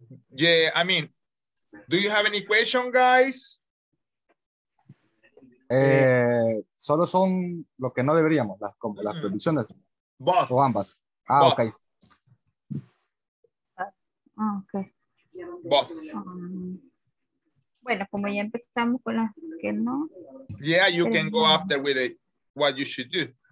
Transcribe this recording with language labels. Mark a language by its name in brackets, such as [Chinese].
[English] Yeah, I mean, do you have any question, guys? [Spanish] Solo son lo que no deberíamos, las prohibiciones. [English] Both. [Spanish] O ambas. [English] Both. Okay. Both. [Spanish] Bueno, como ya empezamos con las que no. [English] Yeah, you can go after with it, what you should do.